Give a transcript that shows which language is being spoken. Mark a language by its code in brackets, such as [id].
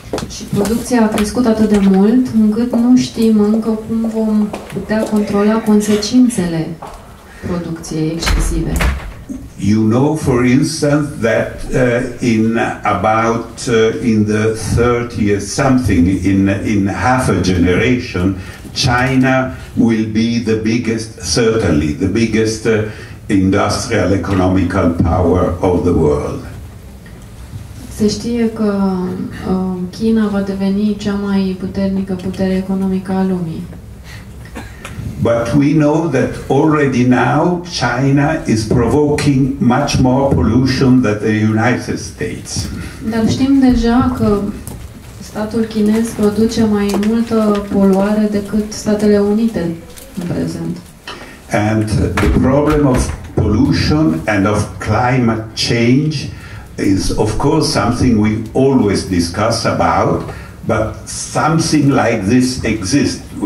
[ro] Și producția a crescut atât de mult încât nu știm încă cum vom putea controla consecințele producției excesive. [en] You know, for instance, that in about in the 30s something, in half a generation, China will be the biggest, certainly the biggest industrial economical power of the world. [ro] Se știe că China va deveni cea mai puternică putere economică a lumii. [en] But we know that already now China is provoking much more pollution than the United States. [ro] Dar știm deja că statul chinez produce mai multă poluare decât Statele Unite în prezent. [en] And the problem of pollution and of climate change is of course something we always discuss about. But something like this exists.